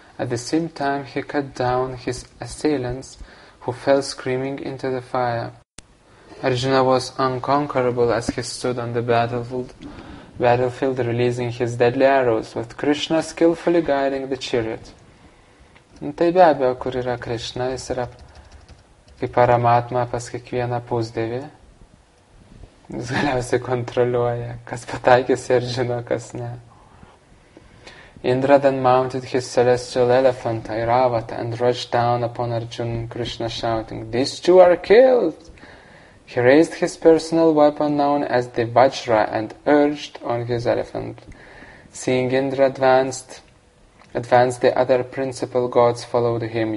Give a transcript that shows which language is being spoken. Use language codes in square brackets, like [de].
[en] At the same time, he cut down his assailants, who fell screaming into the fire. Arjuna was unconquerable as he stood on the battlefield, releasing his deadly arrows, with Krishna skillfully guiding the chariot. [lt] Tai be abejo, kur yra Krishna, jis yra kaip paramatma pas kiekvieną pusdėvį. Jis galiausiai kontroliuoja, kas pataikys ir žino, kas ne. [en] Indra then mounted his celestial elephant, Airavata, and rushed down upon Arjuna, Krishna shouting, "These two are killed!" He raised his personal weapon known as the Vajra and urged on his elephant. Seeing Indra advanced, the other principal gods followed him.